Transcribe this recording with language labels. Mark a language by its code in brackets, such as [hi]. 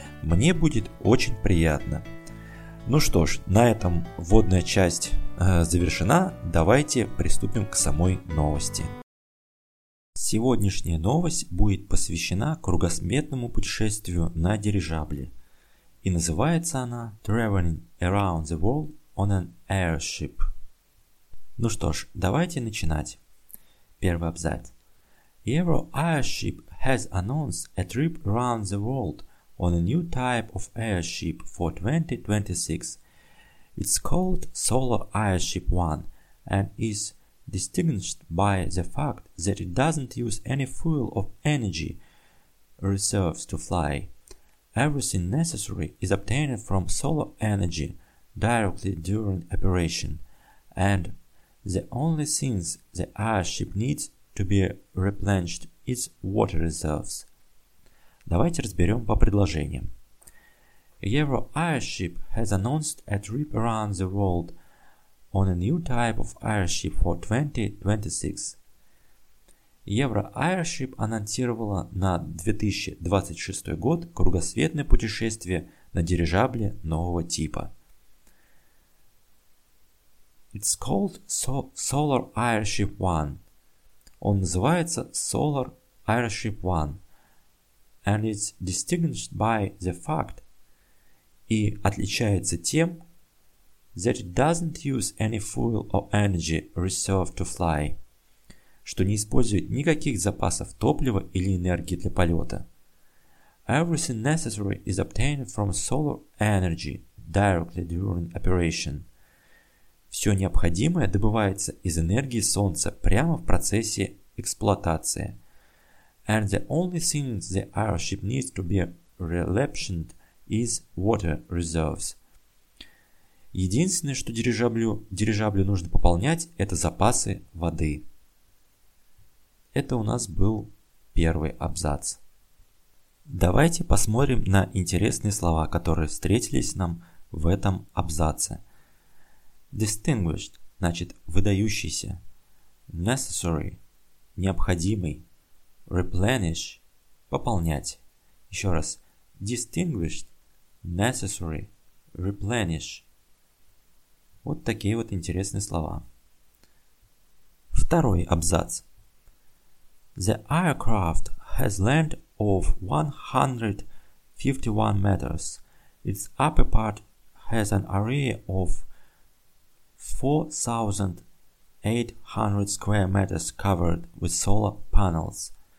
[ru] Мне будет очень приятно. Ну что ж, на этом вводная часть завершена, давайте приступим к самой новости. Сегодняшняя новость будет посвящена кругосветному путешествию на дирижабле. И называется она [en] Traveling Around the World on an Airship. [ru] Ну что ж, давайте начинать. Первый абзац. [en] Euro Airship has announced a trip around the world on a new type of airship for 2026. It's called Solar Airship One and is distinguished by the fact that it doesn't use any fuel or energy reserves to fly. Everything necessary is obtained from solar energy directly during operation, and the only things the airship needs to be replenished is water reserves. [ru] Давайте разберем по предложениям. [en] Euro Airship has announced a trip around the world on a new type of airship for 2026. [ru] Euro Airship анонсировала на 2026 год кругосветное путешествие на дирижабле нового типа. [en] It's called Solar Airship One. [ru] Он называется Solar Airship One. [en] And it's distinguished by the fact [ru] и отличается тем, [en] that it doesn't use any fuel or energy reserve to fly, [ru] что не использует никаких запасов топлива или энергии для полета. [en] Everything necessary is obtained from solar energy directly during operation. [ru] Все необходимое добывается из энергии солнца прямо в процессе эксплуатации. [en] And the only things the airship needs to be replenished is water reserves. [ru] Единственное, что дирижаблю нужно пополнять, это запасы воды. Это у нас был первый абзац. Давайте посмотрим на интересные слова, которые встретились нам в этом абзаце. Distinguished, значит выдающийся. Necessary, необходимый. Replenish, пополнять. Еще раз. Distinguished, necessary, replenish. Вот такие вот интересные слова. Второй абзац. [en] The aircraft has length of 151 meters. Its upper part has an area of 4,800 square meters covered with solar panels.